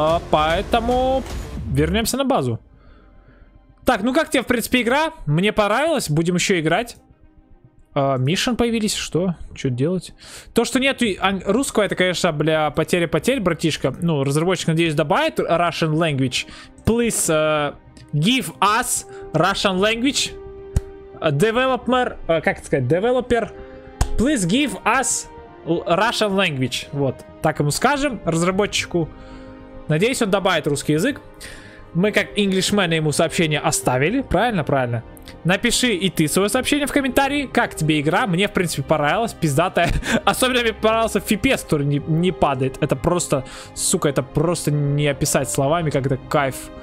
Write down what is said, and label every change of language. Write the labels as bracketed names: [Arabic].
[Russian] Поэтому вернемся на базу. Так, ну как тебе, в принципе, игра? Мне понравилось, будем еще играть. Мишин появились, что? Что делать? То, что нет русского, это, конечно, бля, потеря-потерь, братишка. Ну, разработчик, надеюсь, добавит [English] Russian language. Please give us Russian language. Developer, [Russian] как это сказать, [English] developer, please give us Russian language. [Russian] Вот, так ему скажем, разработчику. Надеюсь, он добавит русский язык. Мы как Englishman ему сообщение оставили, правильно, правильно. Напиши и ты свое сообщение в комментарии, как тебе игра. Мне, в принципе, понравилась, пиздатая. Особенно мне понравился FPS, который не падает. Это просто, сука, это просто не описать словами, как это кайф.